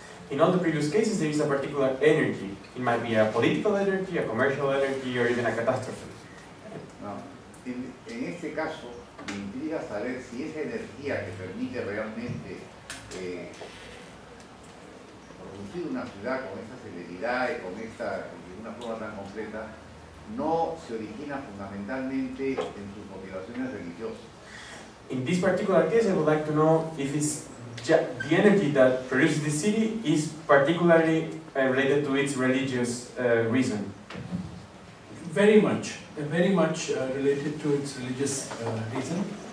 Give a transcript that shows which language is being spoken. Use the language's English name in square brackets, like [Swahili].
[English] In all the previous cases, there is a particular energy. It might be a political energy, a commercial energy, or even a catastrophe. [Spanish] En este caso, me intriga saber si esa energía que permite realmente producir una ciudad con esa celeridad y con esta, de una forma tan concreta, no se origina fundamentalmente en sus motivaciones religiosas. [English] In this particular case, I would like to know if it's the energy that produces the city is particularly related to its religious reason. Very much related to its religious reason.